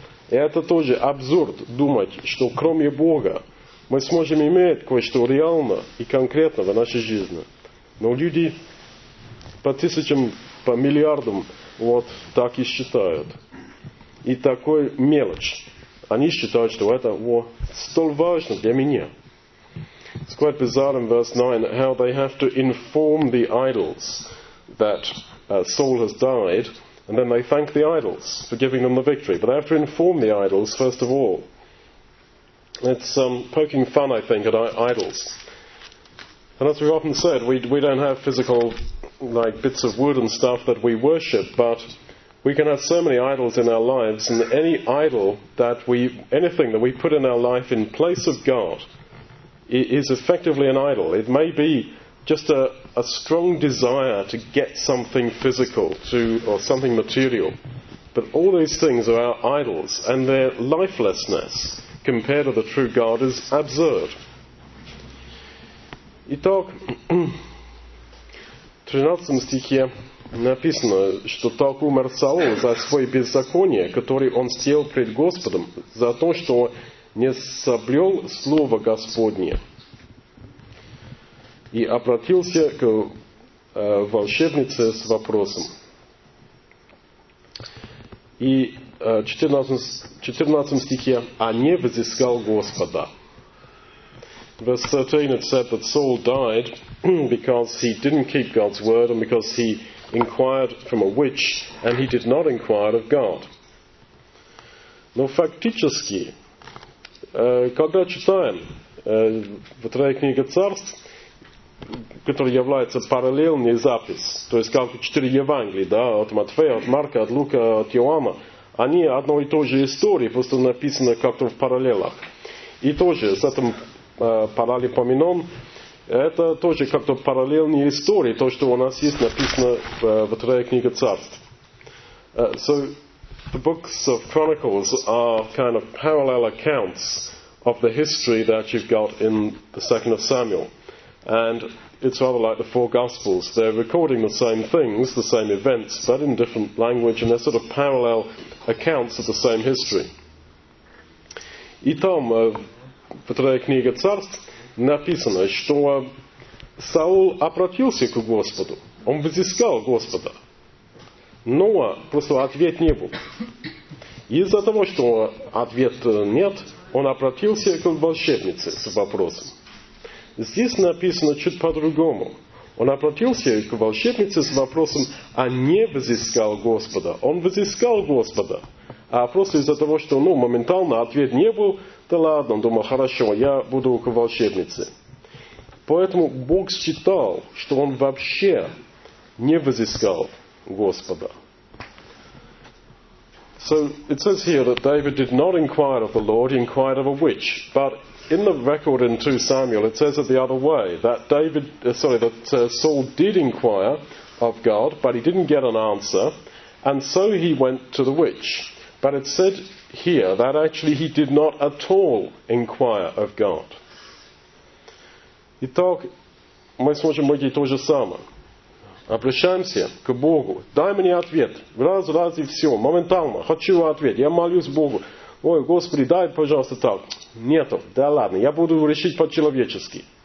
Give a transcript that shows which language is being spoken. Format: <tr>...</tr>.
<ru>И это тоже абсурд думать, что кроме Бога мы сможем иметь кое-что реально и конкретно в нашей жизни. Но люди по тысячам, по миллиардам вот так и считают. И такой мелочь. Они считают, что это столь важно для меня.</ru> <en>It's quite bizarre in verse 9 how they have to inform the idols that Saul has died, and then they thank the idols for giving them the victory. But they have to inform the idols first of all. It's poking fun, I think, at idols. And as we've often said, we don't have physical like bits of wood and stuff that we worship, but we can have so many idols in our lives, and any idol that anything that we put in our life in place of God is effectively an idol. It may be just a strong desire to get something physical or something material. But all these things are our idols, and their lifelessness compared to the true God is absurd.</en> <ru>Итак, в 13 стихе написано, что так умер Саул за свое беззаконие, которое он сделал пред Господом, за то, что не соблюл слово Господне и обратился к волшебнице с вопросом. И в 14 стихе «А не взыскал Господа».</ru> <en>Verse 13, it said that Saul died because he didn't keep God's word and because he inquired from a witch and he did not inquire of God.</en> <ru>Но фактически, когда читаем вторая книга царств, которая является параллельной запись, то есть как четыре Евангелия, да, от Матфея, от Марка, от Лука, от Иоанна, они одно и то же истории, просто написано как-то в параллелах. И тоже с этим параллелепоменон, это тоже как-то параллельные истории, то, что у нас есть написано в Третьей книге Царств.</ru> <en>So, the books of Chronicles are kind of parallel accounts of the history that you've got in the second of Samuel. And it's rather like the four Gospels. They're recording the same things, the same events, but in different language, and they're sort of parallel accounts of the same history.</en> <ru>И там, в Третьей книге Царств, написано, что Саул обратился к Господу. Он взыскал Господа. Но просто ответ не был. Из-за того, что ответ нет, он обратился к волшебнице с вопросом. Здесь написано чуть по-другому. Он обратился к волшебнице с вопросом, а не взыскал Господа. Он взыскал Господа. А просто из-за того, что моментально ответ не был, да ладно, он думал, хорошо, я буду к волшебнице. Поэтому Бог считал, что он вообще не взыскал Господа.</ru> <en>So it says here that David did not inquire of the Lord, he inquired of a witch. But in the record in 2 Samuel, it says it the other way, that Saul did inquire of God, but he didn't get an answer, and so he went to the witch. But it said here that actually he did not at all inquire of God.</en> <ru>Итак, мы сможем выйти то же самое. Обращаемся к Богу. Дай мне ответ. Раз и все. Моментально. Хочу ответ. Я молюсь Богу. Ой, Господи, дай, пожалуйста, так. Нету. Да ладно, я буду решить по-человечески.</ru>